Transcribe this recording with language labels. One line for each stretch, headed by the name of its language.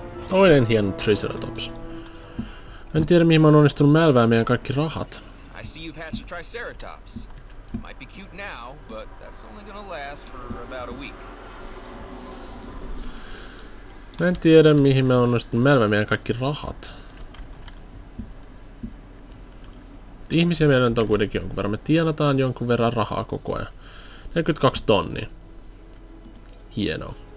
Finnish: Toinen hieno Triceratops. En tiedä, mihin mä oon onnistunut mälvää meidän kaikki rahat.
English: I see you've hatched a Triceratops. Might be cute now, but that's only gonna last for about a week.
Finnish: Mä en tiedä, mihin me onnistun mälvä meidän kaikki rahat. Ihmisiä meillä on kuitenkin jonkun verran. Me tienataan jonkun verran rahaa koko ajan. 42 tonnia. Hienoa.